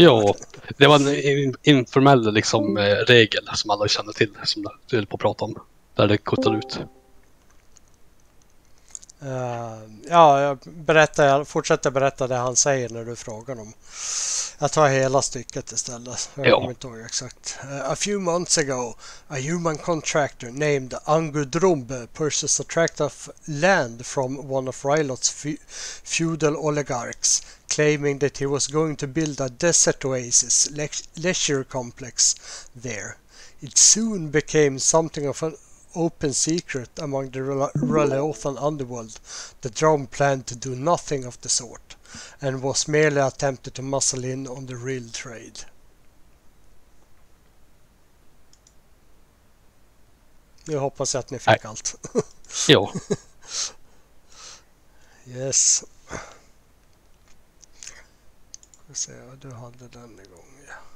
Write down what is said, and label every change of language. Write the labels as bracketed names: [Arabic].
[Swedish] ja, det var en informell liksom, regel som alla känner till som du höll på att prata om. Där det kuttade ut. Ja, jag berättar, jag fortsätter berätta det han säger när du frågar om. Jag tar hela stycket istället. Jag kommer inte ihåg exakt. [English] A few months ago, a human contractor named Angudrumb purchased a tract of land from one of Rylot's feudal oligarchs, claiming that he was going to build a desert oasis leisure complex there. It soon became something of an open secret among the Ralothan underworld that Drum planned to do nothing of the sort and was merely attempted to muscle in on the real trade. [Swedish] Nu hoppas jag att ni fick allt. Jo. [English] Yes. [Swedish] Ska se, du hade den igång. Ja.